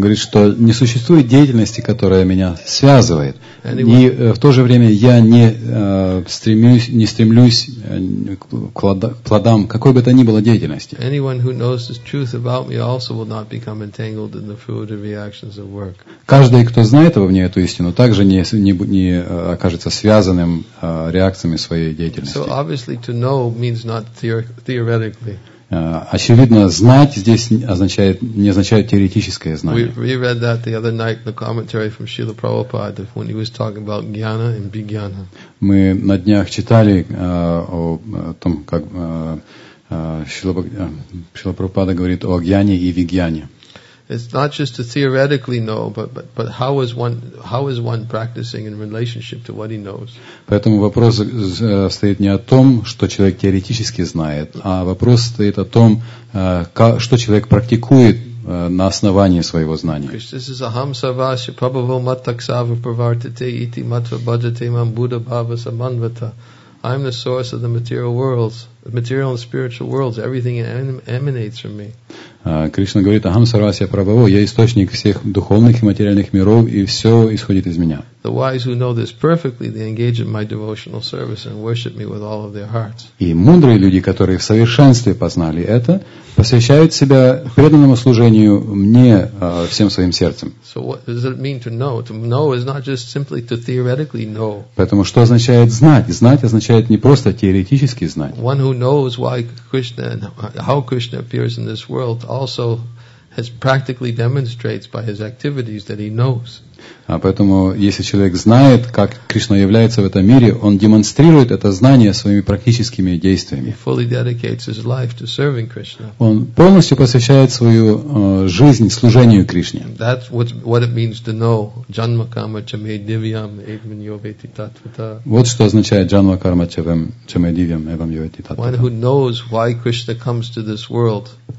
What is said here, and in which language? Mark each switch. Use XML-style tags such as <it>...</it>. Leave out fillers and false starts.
<ru>говорит, что не существует деятельности, которая меня связывает. И в то же время я не стремлюсь к плодам какой бы то ни было деятельности.</ru> <en>Anyone who knows the truth about me also will not become entangled in the fruit of reactions of work.</en> <ru>Каждый, кто знает обо мне эту истину, также не окажется связанным реакциями своей деятельности.</ru> <en>So obviously to know means not theoretically.</en> <ru>Очевидно, знать здесь не означает теоретическое знание.</ru> <en>We read that the other night, the commentary from Srila Prabhupada, when he was talking about jnana and vijnana.</en> <ru>Мы на днях читали о том, как Шрила Прабхупада говорит о гьяне и вигьяне.</ru> <en>It's not just to theoretically know, but how is one practicing in relationship to what he knows?</en> <ru>Поэтому вопрос стоит не о том, что человек теоретически знает, а вопрос стоит о том, что человек практикует на основании своего знания.</ru> <en>Krishna says,</en> <sa>"Aham sarvasya prabhava mataksava pravartate iti matva bhajate mam buddha bhava samanvata."</sa> <en>I am the source of the material worlds, the material and spiritual worlds. Everything emanates from me.</en> <ru>Кришна говорит,</ru> <sa>Агам сарвасья прабаво,</sa> <ru>я источник всех духовных и материальных миров, и все исходит из меня.</ru> <en>The wise who know this perfectly, they engage in my devotional service and worship me with all of their hearts.</en> <ru>И мудрые люди, которые в совершенстве познали это, посвящают себя преданному служению мне всем своим сердцем.</ru> <en>So what does it mean to know? To know is not just simply to theoretically know.</en> <ru>Поэтому что означает знать? Знать означает не просто теоретически знать.</ru> <en>One who knows why Krishna and how Krishna appears in this world also has practically demonstrates by his activities that he knows.</en> <ru>А поэтому, если человек знает, как Кришна является в этом мире, он демонстрирует это знание своими практическими действиями.</ru> <en>He fully dedicates his life to serving Krishna.</en> <ru>Он полностью посвящает свою жизнь служению Кришне.</ru> <en>That's what it means to know</en> <sa>Janma Karma Chame Divyam Evam Yoveti Tatvata.</sa> <ru>Вот что означает</ru> <sa>Janma Karma Chame Divyam Evam Yoveti Tatvata.</sa> <en>One who knows why Krishna comes to this world.</en>